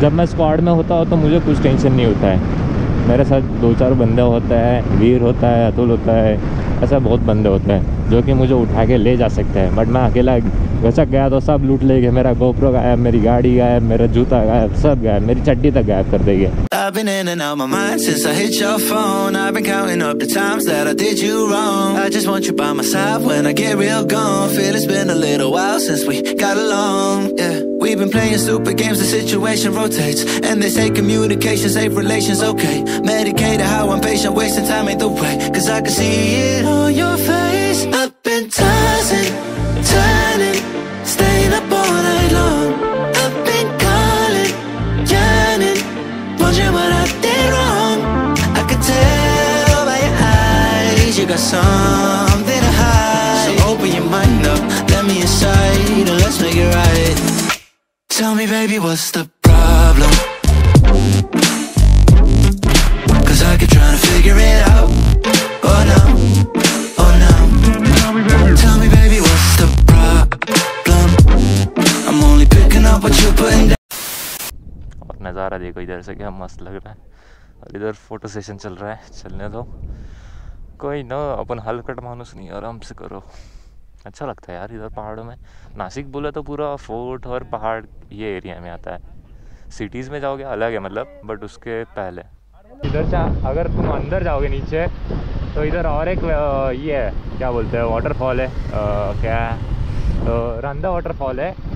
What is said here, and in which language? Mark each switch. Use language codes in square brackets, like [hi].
[hi] जब मैं स्क्वाड में होता हूँ तो मुझे कुछ टेंशन नहीं होता है, मेरे साथ दो चार बंदे होते हैं, वीर होता है, अतुल होता है, ऐसा बहुत बंदे होते हैं जो कि मुझे उठा के ले जा सकते हैं, बट मैं अकेला घसक गया तो सब लूट लेंगे, मेरा गोप्रो गायब, मेरी गाड़ी गायब, मेरा जूता गायब, सब गायब, मेरी चड्डी तक गायब कर देंगे। [en] We've been playing stupid games, the situation rotates. And they say communication, safe relations, okay. Medicated, how I'm patient, wasting time ain't the way. Cause I can see it on your face. I've been tossing, turning, staying up all night long. I've been calling, yearning, wondering what I did wrong. I can tell by your eyes, you got something to hide. So open your mind up, let me inside, and let's make it right. Tell me, baby, what's the problem? Cause I keep trying to figure it out. Oh no, oh no. Tell me, baby, what's the problem? I'm only picking up what you're putting down. [hi] और नज़ारा देखो इधर से, क्या मस्त लग रहा है। और इधर फोटो सेशन चल रहा है, चलने दो। कोई ना, अपन हलकट मानुस नहीं, आराम से करो। अच्छा लगता है यार इधर पहाड़ों में। नासिक बोले तो पूरा फोर्ट और पहाड़ ये एरिया में आता है, सिटीज़ में जाओगे अलग है मतलब, बट उसके पहले इधर जा, अगर तुम अंदर जाओगे नीचे तो इधर और एक ये क्या बोलते हैं वाटरफॉल है, क्या रंधा वाटरफॉल है।